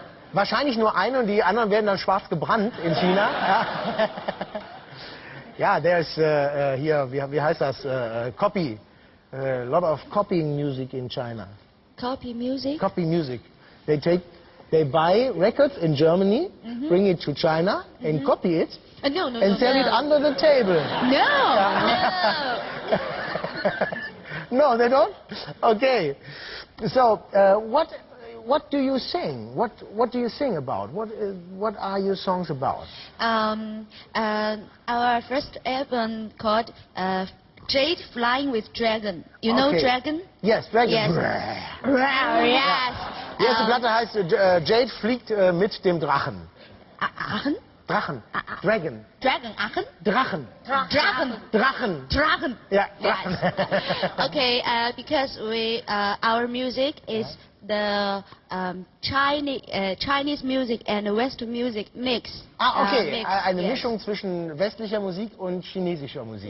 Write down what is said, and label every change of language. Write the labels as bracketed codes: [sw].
[de] Wahrscheinlich nur eine und die anderen werden dann schwarz gebrannt in China. Ja, [en] there is here, [de] wie heißt das? [en] Copy. A lot of copying music in China. Copy music? Copy music. They buy records in Germany, mm-hmm. bring it to China mm-hmm. and copy it. No, it under the table. No! No! No, they don't? Okay. So, what do you sing? What do you sing about? What are your songs about? Our first album called Jade Flying with Dragon. You know Dragon? Yes, Dragon. Yes. Brrr. Brrr, yes. [de] Die erste Platte heißt Jade fliegt mit dem Drachen. Drachen? Drachen. Dragon. Dragon, Aachen? Drachen. Drachen. Drachen. Drachen. Ja, Drachen. [en] Okay, because we, our music is the Chinese music and Western music mix. Ah, okay. [de] Eine Mischung zwischen westlicher Musik und chinesischer Musik.